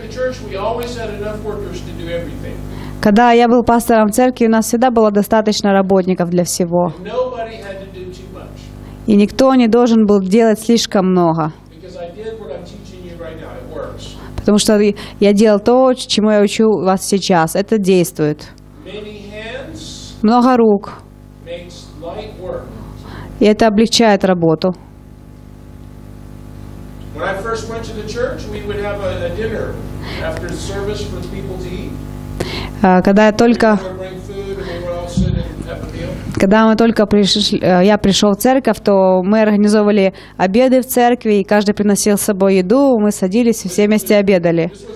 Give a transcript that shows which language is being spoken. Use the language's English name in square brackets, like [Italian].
[English] church, we always had enough workers to do everything. [Russian] Когда я был пастором церкви, у нас всегда было достаточно работников для всего. [English] Nobody had to do too much. [Russian] И никто не должен был делать слишком много. [English] Because I did what I'm teaching you right now. It works. [Russian] Потому что я делал то, чему я учу вас сейчас. Это действует. [English] Many hands. [Russian] Много рук. [English] Makes light work. [Russian] И это облегчает работу. [English] When I first went to the church, we would have a dinner after service for people to eat. [Russian] Когда я только, я пришел в церковь, то мы организовывали обеды в церкви, и каждый приносил с собой еду, мы садились и все вместе обедали.